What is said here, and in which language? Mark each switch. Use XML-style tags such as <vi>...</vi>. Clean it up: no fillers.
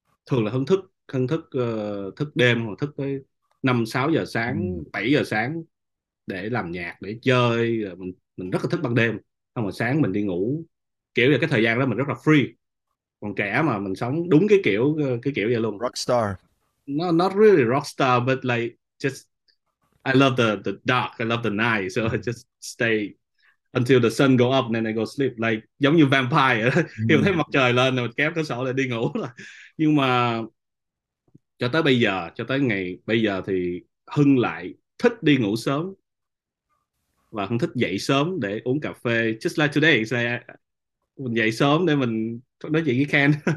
<vi>Thường là Hưng thức thức đêm, hoặc thức tới 5 6 giờ sáng, 7 giờ sáng để làm nhạc, để chơi. Mình rất là thích ban đêm, xong rồi sáng mình đi ngủ, kiểu như cái thời gian đó mình rất là free. Còn trẻ mà mình sống đúng cái kiểu vậy luôn.</vi> <en>Rockstar. No, not really rock star, but like just I love the dark, I love the night, so I just stay until the sun go up, then I go sleep.</en> <vi>Like giống như vampire, khi mình thấy mặt trời lên rồi kéo cửa sổ lại đi ngủ rồi. Nhưng mà cho tới bây giờ, cho tới ngày bây giờ thì Hưng lại thích đi ngủ sớm, và Hưng thích dậy sớm để uống cà phê.</vi> <en>Just like today,</en> <vi>say mình dậy sớm để mình nói chuyện với Ken.</vi>